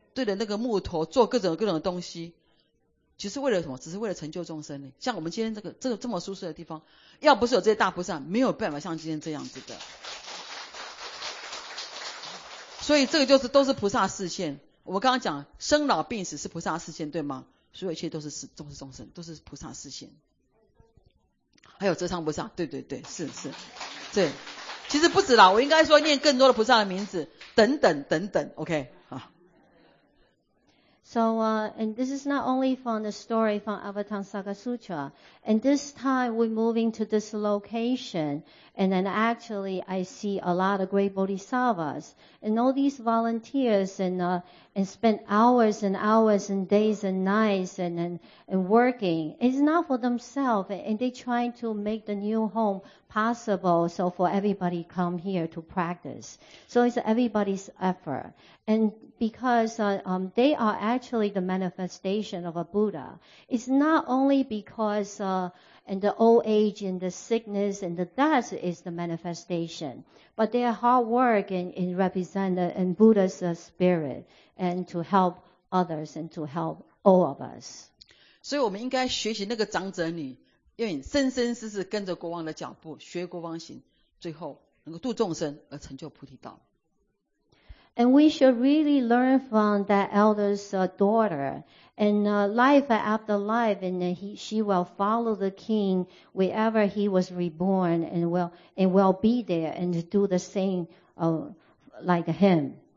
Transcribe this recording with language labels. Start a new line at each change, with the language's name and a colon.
Chinese: 其实，在这一次搬家当中，我也看到非常多的大菩萨哦。你看，我现在当场这边看到谁？吴桂林菩萨，那个什么菩，哎，弘明菩萨。哇，我们真的要给他拍拍手。他们哦，每天都埋在那个9056，9056那边，对着那个木头做各种各种的东西。其实为了什么？只是为了成就众生呢？像我们今天这个这么舒适的地方，要不是有这些大菩萨，没有办法像今天这样子的。所以这个就是都是菩萨视线。我刚刚讲生老病死是菩萨视线，对吗？所有一切都是众生，都是菩萨视线。还有遮昌菩萨，对对对，是是。对，其实不止啦，我应该说念更多的菩萨的名字，等等等等，OK。
English: So, and this is not only from Avatamsaka Sutra. And this time we're moving to this location. And then actually I see a lot of great bodhisattvas and all these volunteers and spend hours and hours and days and nights and working. It's not for themselves, and they're trying to make the new home possible so for everybody come here to practice. So it's everybody's effort. And because they are actually the manifestation of a Buddha, it's not only because and the old age and the sickness and the death is the manifestation. But their hard work and represent the Buddha's spirit and to help others and to help all of us.
Chinese: 所以我们应该学习那个长者女，愿意生生世世跟着国王的脚步，学国王行，最后能够度众生而成就菩提道。
English: And we should really learn from that elder's daughter. And life after life, and she will follow the king wherever he was reborn and will be there and do the same like him.